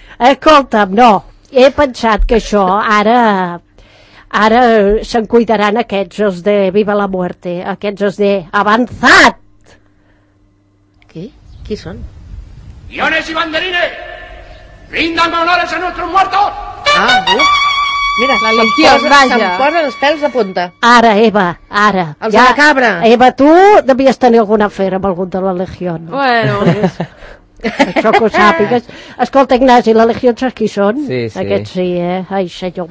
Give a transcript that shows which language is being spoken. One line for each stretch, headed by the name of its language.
Catalan: Escolta'm, no, he pensat que això ara... Ara se'n cuidaran aquests, els de Viva la Muerte, aquests els de Avanzat. Qui? Qui són?
Spanish: Guiones y banderines, brindan honores a nuestros muertos.
Catalan: Ah, bé. Mira, se'm posa els pèls de punta. Ara, Eva, ara. Els ja, de la cabra. Eva, tu devies tenir alguna afera amb algun de la Legió. Bueno... Això que ho sàpigues. Escolta, Ignasi, la Legió, saps qui són? Sí, sí. Aquests sí, eh? Ai, senyor.